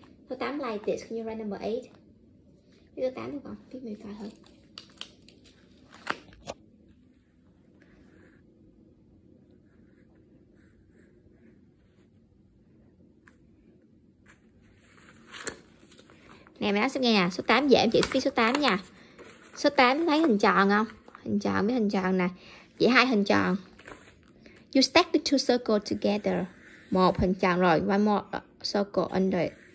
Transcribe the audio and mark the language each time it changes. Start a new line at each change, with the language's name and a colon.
English: Số 8 like this, can you rank number 8?
Vietnamese: Số 8 được không? Tiếp mình coi thôi. Nè mẹ nói xem nghe nè, số 8 dễ, em chỉ phía số 8 nha. Số 8 thấy hình tròn không? Hình tròn với hình tròn nè. Vậy hai hình tròn.
English: You stack the two circles together.
Vietnamese: Một hình tròn rồi,
English: one more circle under it.